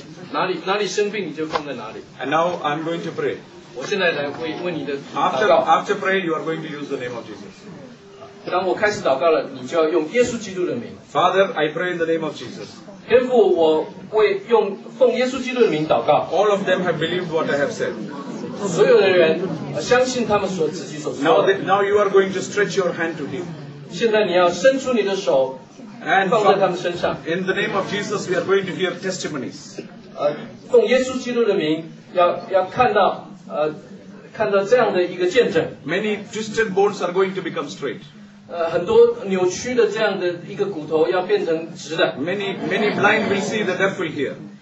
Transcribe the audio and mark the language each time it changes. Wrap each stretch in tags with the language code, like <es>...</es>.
<zh>哪里生病你就放在哪里。</zh> <en>And now I'm going to pray.</en> <zh>我现在来为你的祷告。</zh> <en>After praying, you are going to use the name of Jesus.</en> <zh>当我开始祷告了，你就要用耶稣基督的名。</zh> <en>Father, I pray in the name of Jesus.</en> <zh>天父，我为用奉耶稣基督的名祷告。</zh> <en>All of them have believed what I have said.</en> <zh>所有的人相信他们所自己所说的。</zh> <en>Now you are going to stretch your hand to him.</en> <zh>现在你要伸出你的手。</zh> <en>And from,</en> <zh>放在他们身上。</zh> <en>In the name of Jesus, we are going to hear testimonies.</en> <zh>奉耶稣基督的名，要看到看到这样的一个见证。</zh> <en>Many twisted bones are going to become straight.</en> <zh>很多扭曲的这样的一个骨头要变成直的。</zh> <en>Many blind will see, the deaf will hear.</en>